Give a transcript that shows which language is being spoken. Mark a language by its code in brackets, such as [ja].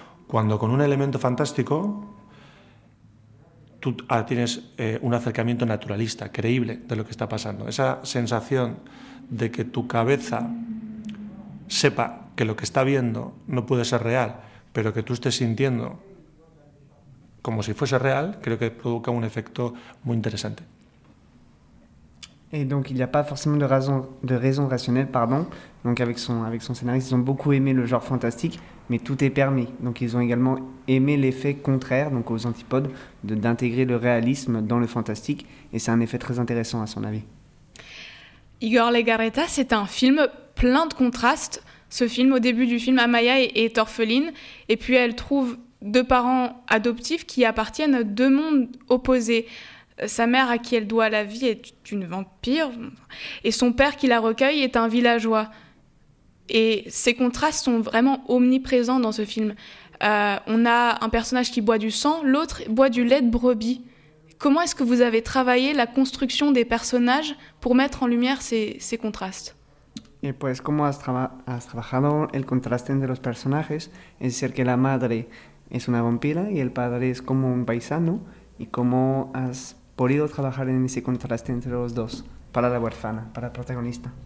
[es] Cuando con un elemento fantástico tú tienes un acercamiento naturalista, creíble de lo que está pasando. Esa sensación de que tu cabeza sepa que lo que está viendo no puede ser real, pero que tú estés sintiendo como si fuese real, creo que provoca un efecto muy interesante. [fr] Et donc il n'y a pas forcément de raison rationnelle, pardon. Donc avec son scénariste, ils ont beaucoup aimé le genre fantastique, mais tout est permis. Donc ils ont également aimé l'effet contraire, donc aux antipodes, d'intégrer le réalisme dans le fantastique. Et c'est un effet très intéressant à son avis. Igor Legarreta, c'est un film plein de contrastes. Ce film, au début du film, Amaya est orpheline. Et puis elle trouve deux parents adoptifs qui appartiennent à deux mondes opposés. Sa mère à qui elle doit la vie est une vampire et son père qui la recueille est un villageois. Et ces contrastes sont vraiment omniprésents dans ce film. On a un personnage qui boit du sang, l'autre boit du lait de brebis. Comment est-ce que vous avez travaillé la construction des personnages pour mettre en lumière ces contrastes ? [es] Y pues, ¿cómo has trabajado el contraste entre los personajes? Es decir, que la madre es una vampira y el padre es como un paisano. ¿Y cómo has podido trabajar en ese contraste entre los dos para la huérfana, para el protagonista?